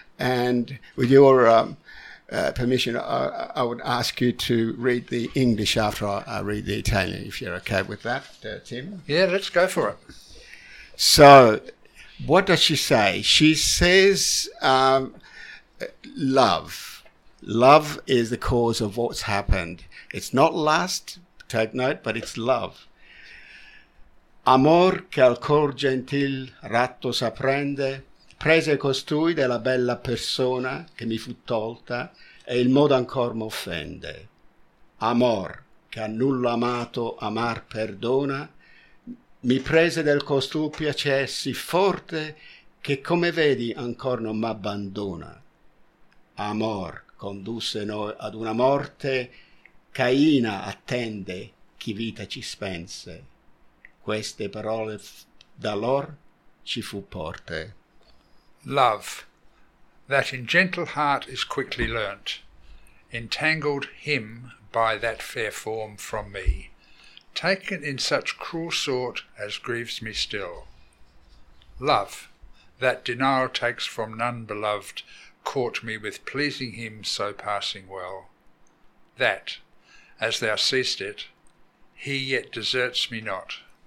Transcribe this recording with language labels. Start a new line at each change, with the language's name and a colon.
English: And with your permission, I would ask you to read the English after I read the Italian, if you're okay with that, Tim. Yeah, let's go for it. So what does she say? She says love. Love is the cause of what's happened. It's not lust, take note, but it's love.
Italian: Amor che al cor gentil ratto s'apprende, prese costui della bella persona che mi fu tolta e il modo ancor m'offende. Amor che a nulla amato amar perdona, mi prese del costui piacer sì forte che come vedi ancor non m'abbandona. Amor condusse noi ad una morte caina attende chi vita ci spense. Queste parole da lor ci fu porte.
English: Love, that in gentle heart is quickly learnt, entangled him by that fair form from me, taken in such cruel sort as grieves me still. Love, that denial takes from none beloved, caught me with pleasing him so passing well, that, as thou seest it, he yet deserts me not.